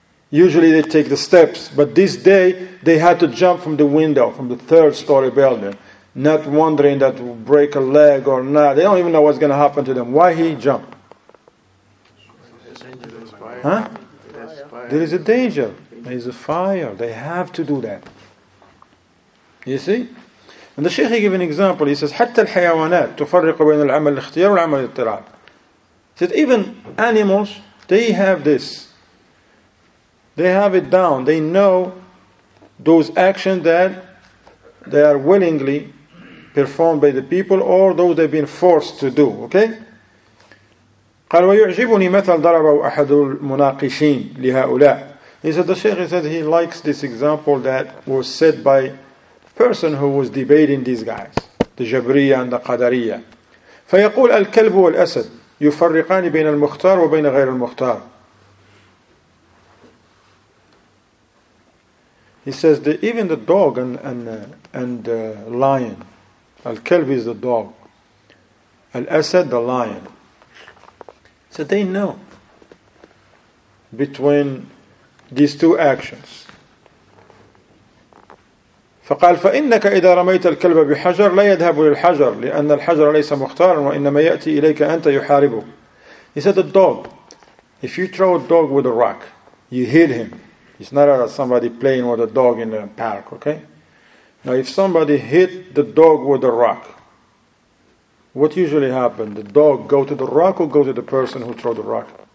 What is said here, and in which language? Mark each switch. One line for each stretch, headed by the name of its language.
English: Usually they take the steps, but this day they had to jump from the window, from the third story building, not wondering that will break a leg or not. They don't even know what's going to happen to them. Why he jump? Huh? There is a danger. There is a fire. They have to do that. You see? And the Sheikh, he gave an example. He says,
Arabic: حَتَّى الْحَيَوَانَاتِ تُفَرِّقُ بَيْنَ الْعَمَلِ الْإِخْتِيَارِ وَالْعَمَلِ الْإِضْطِرَارِ.
English: He said, even animals, they have this. They have it down. They know those actions that they are willingly performed by the people or those they've been forced to do. Okay?
Arabic: قال ويعجبني مثل ضربه أحد المناقشين لهؤلاء.
English: He said, the Shaykh said he likes this example that was said by person who was debating these guys, the Jabriya and the Qadariya.
Arabic: فيقول الكلب والأسد يفرقان بين المختار وبين غير المختار.
English: He says that even the dog and the lion, al-kalb is the dog, al-asad the lion. So they know between these two actions.
Arabic: فقال فإنك إذا رميت الكلب بحجر لا يذهب للحجر لأن الحجر ليس مختارا وإنما يأتي إليك أنت يحاربه.
English: He said the dog, if you throw a dog with a rock, you hit him. It's not somebody playing with a dog in the park, okay? Now, if somebody hit the dog with a rock, what usually happens? The dog go to the rock or go to the person who threw the rock?